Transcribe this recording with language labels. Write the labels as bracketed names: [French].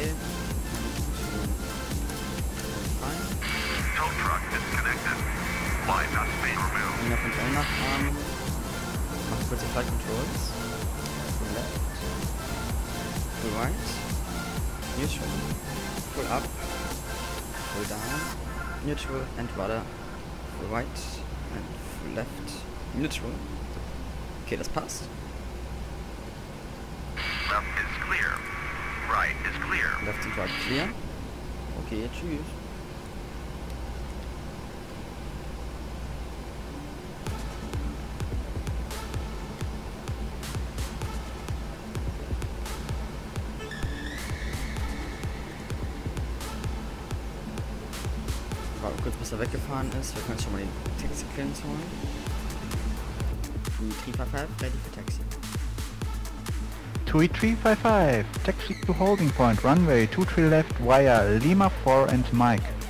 [German] gehen wir nach an, machen kurze Flight Controls, [English] to left, to right, [German] hier schon. [English] Pull up, pull down, neutral and rudder, right and left, neutral. [German] Okay, das passt. [English] Left is clear, right is clear. Left and right clear. Okay, tschüss. [German] Kurz bis er weggefahren ist, wir können schon mal den Taxi-Clearance holen. [English] Die 355, ready for taxi. TUI 355, taxi to holding point, runway 23 left via Lima 4 and Mike.